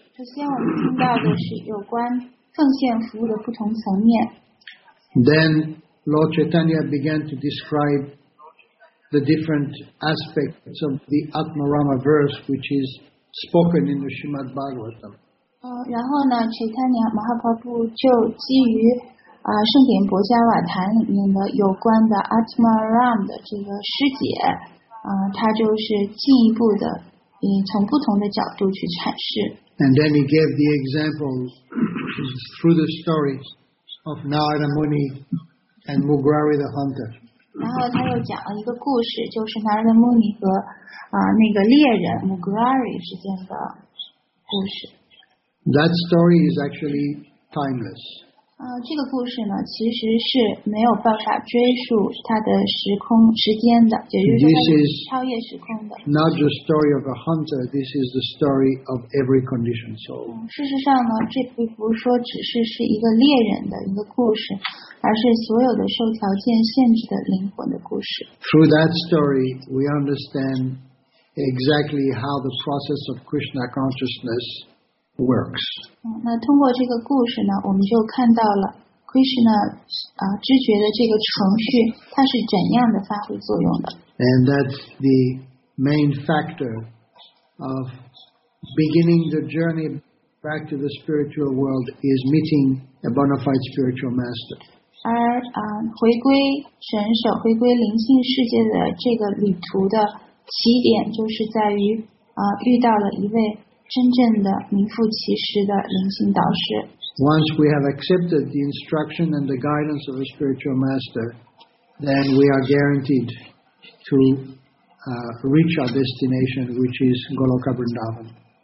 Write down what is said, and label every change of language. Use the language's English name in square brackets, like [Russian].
[Chinese] 首先，我们听到的是有关奉献服务的不同层面。 [English] Then Lord Chaitanya began to describe the different aspects of the Atmarama verse, which is spoken in the Srimad Bhagavatam. [Chinese] 然后呢 ，Chaitanya Mahaprabhu 就基于圣典薄伽瓦坛里面的有关的 Atmarama 的这个师姐，他就是进一步的，从不同的角度去阐释。 [English] And then he gave the examples through the stories of Narada Muni and Mugrari the hunter. [Chinese] 然后他又讲了一个故事，就是 Narada Muni 和那个猎人 Mugrari 之间的故事。 [English] That story is actually timeless. [Chinese] 这个故事呢，其实是没有办法追溯它的时空时间的，也就是说超越时空的。 [English] This is not the story of a hunter. This is the story of every conditioned soul. [Chinese] 事实上呢，这不是说只是一个猎人的一个故事，而是所有的受条件限制的灵魂的故事。 [English] Through that story, we understand exactly how the process of Krishna consciousness works. [Chinese] 那通过这个故事呢，我们就看到了 Krishna 知觉的这个程序，它是怎样的发挥作用的。 [English] And that's the main factor of beginning the journey back to the spiritual world is meeting a bona fide spiritual master. [Chinese] 而回归神首，回归灵性世界的这个旅途的起点，就是在于遇到了一位真正的名副其实的灵性导师。 [English] Once we have accepted the instruction and the guidance of a spiritual master, then we are guaranteed to reach our destination, which is Goloka Vrindavan.